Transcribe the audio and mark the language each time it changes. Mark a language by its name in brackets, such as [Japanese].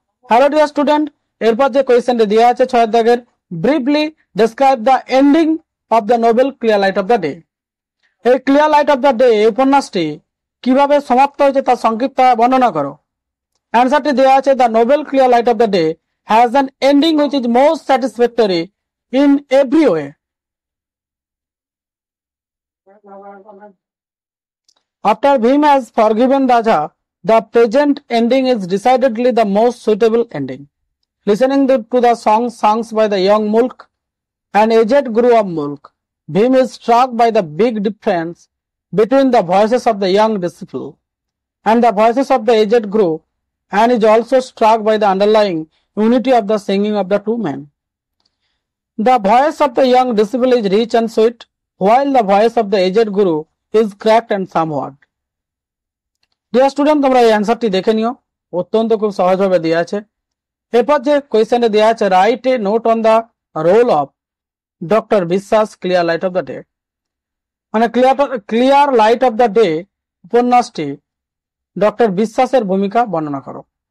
[Bangla] Hello dear student, এরপর যে কোয়েশ্চেনটি দেওয়া আছে ছয়ের দাগের, [English] briefly describe the ending of the novel clear light of the day, [Bangla] এই clear light off the day এই উপন্যাসটি কিভাবে সমাপ্ত হয়েছে তা সংক্ষিপ্ত বর্ণনা করো। অ্যান্সারটি দেওয়া আছে [English] The novel clear light of the day has an ending which is most satisfactory in every way. After Bhim has forgiven Raja, the present ending is decidedly the most suitable ending. Listening to the song sung by the young Mulk, an aged guru of Mulk, Bhim is struck by the big difference between the voices of the young disciple and the voices of the aged guru, and is also struck by the underlying unity of the singing of the two men. The voice of the young disciple is rich and sweet, while the voice of the aged guru is cracked and somewhat. Dear student, [Bangla] তোমরা এই অ্যান্সারটি দেখে নিও, অত্যন্ত খুব সহজভাবে দেওয়া আছে। এরপর যে কোয়েশ্চেনটা দেওয়া আছে, [English] write a note on the role of doctor Biswas clear light of the day, [Bangla] মানে clear light off the day উপন্যাসটি ডক্টর বিশ্বাসের ভূমিকা বর্ণনা করো।